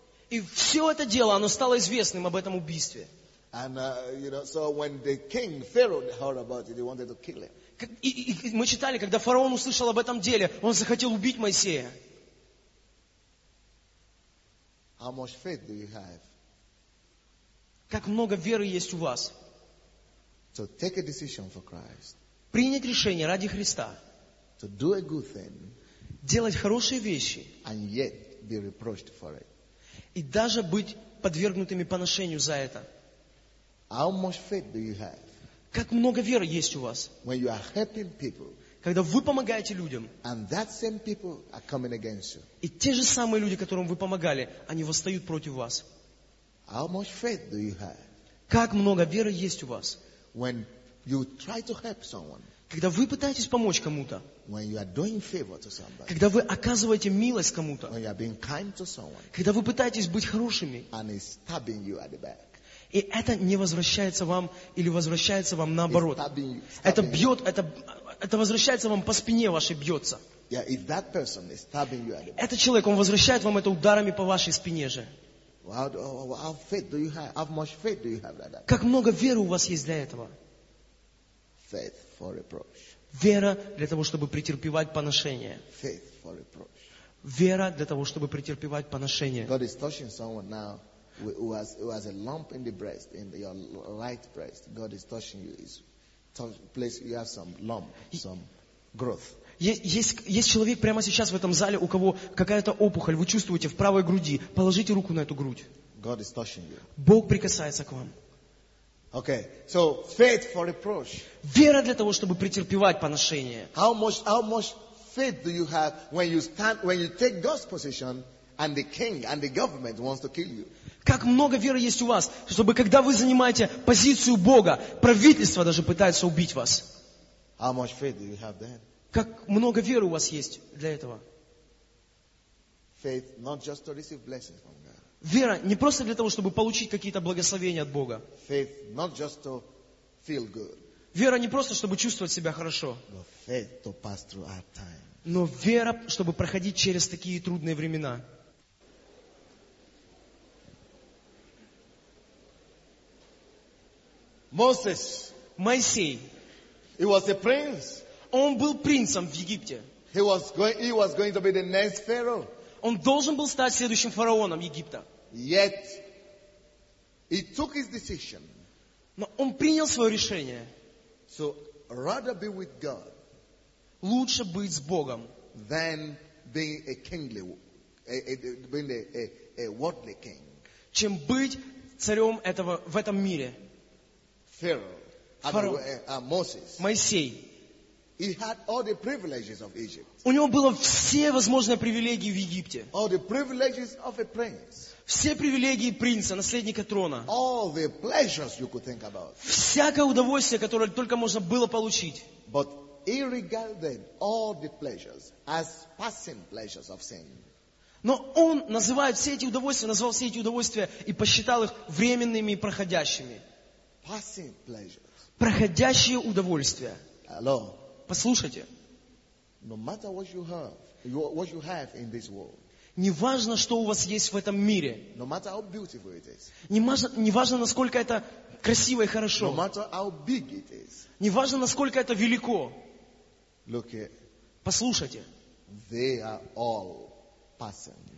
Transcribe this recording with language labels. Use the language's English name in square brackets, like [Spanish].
[Russian] И все это дело, оно стало известным об этом убийстве. [English] And, you know, so when the king, Pharaoh, heard about it, he wanted to kill him. [Russian] И мы читали, когда фараон услышал об этом деле, он захотел убить Моисея. [English] How much faith do you have? [Russian] Как много веры есть у вас? [English] To take a decision for Christ. [Russian] Принять решение ради Христа. [English] To do a good thing. [Russian] Делать хорошие вещи. [English] And yet be reproached for it. [Russian] И даже быть подвергнутыми поношению за это. [English] How much faith do you have? [Russian] Как много веры есть у вас? [English] When you are helping people, [Russian] когда вы помогаете людям, [English] and that same people are coming against you. [Russian] И те же самые люди, которым вы помогали, они восстают против вас. [English] How much faith do you have? [Russian] Как много веры есть у вас? [English] When you try to help someone, [Russian] когда вы пытаетесь помочь кому-то, [English] when you are doing favor to somebody, [Russian] когда вы оказываете милость кому-то, [English] when you are being kind to someone, [Russian] когда вы пытаетесь быть хорошими, [English] and he's stabbing you at the back. [Russian] И это не возвращается вам или возвращается вам наоборот. Это бьет, это возвращается вам по спине вашей, бьется. [English] Yeah, if that person is stabbing you, [Russian] этот человек, он возвращает вам это ударами по вашей спине же. Как много веры у вас есть для этого? [English] Faith for reproach. [Russian] Вера для того, чтобы претерпевать поношение. [English] Faith for reproach. [Russian] Вера для того, чтобы претерпевать поношение. [English] God is touching someone now. Who has a lump in the breast, in your right breast? God is touching you. Is touch, place you have some lump, some growth. [Russian] Есть человек прямо сейчас в этом зале, у кого какая-то опухоль. Вы чувствуете в правой груди? Положите руку на эту грудь. [English] God is touching you. [Russian] Бог прикасается к вам. [English] Okay, so faith for reproach. [Russian] Вера для того, чтобы претерпевать поношение. [English] How much faith do you have when you stand, when you take God's position, and the king and the government wants to kill you? [Russian] Как много веры есть у вас, чтобы когда вы занимаете позицию Бога, правительство даже пытается убить вас. [English] How much faith do you have then? [Russian] Как много веры у вас есть для этого? [English] Faith not just to receive blessings from God. [Russian] Вера не просто для того, чтобы получить какие-то благословения от Бога. [English] Faith not just to feel good. [Russian] Вера не просто, чтобы чувствовать себя хорошо. [English] But faith to pass through hard times. [Russian] Но вера, чтобы проходить через такие трудные времена. [English] Moses, [Russian] Моисей, [English] he was a prince. [Russian] Он был принцем в Египте. [English] He was going to be the next pharaoh. [Russian] Он должен был стать следующим фараоном Египта. [English] Yet he took his decision. [Russian] Но он принял свое решение. [English] So rather be with God. [Russian] Лучше быть с Богом. [English] Than being a kingly, being a worldly king. [Russian] Чем быть царем этого в этом мире. [English] Pharaoh, Moses. Моисей. He had all the privileges of Egypt. [Russian] У него было все возможные привилегии в Египте. [English] All the privileges of a prince. [Russian] Все привилегии принца, наследника трона. [English] All the pleasures you could think about. [Russian] Всякое удовольствие, которое только можно было получить. [English] But he regarded all the pleasures as passing pleasures of sin. [Russian] Но он называет все эти удовольствия, назвал все эти удовольствия и посчитал их временными и проходящими. [English] Passing pleasures. [Russian] Проходящие удовольствия. [English] Hello. [Russian] Послушайте. [English] No matter what you have, what you have in this world. [Russian] Не важно, что у вас есть в этом мире. [English] No matter how beautiful it is. [Russian] Не важно, насколько это красиво и хорошо. [English] No matter how big it is. [Russian] Не важно, насколько это велико. [English] Look here. [Russian] Послушайте. [English] They are all passing.